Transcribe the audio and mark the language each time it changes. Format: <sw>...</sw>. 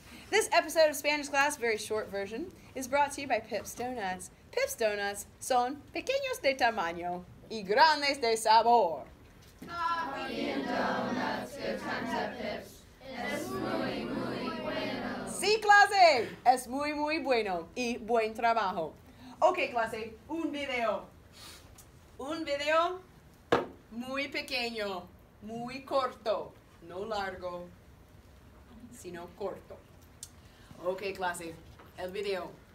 <en>This episode of Spanish Class, very short version, is brought to you by Pips Donuts.</en> <es>Pips Donuts son pequeños de tamaño y grandes de sabor.</es> <en>Coffee and donuts, good times at Pips.</en> <es>Es muy, muy bueno. Sí, clase. Es muy, muy bueno y buen trabajo. Okay, clase, un video. Un video muy pequeño, muy corto. No largo, sino corto. Okay, clase, el video.</es>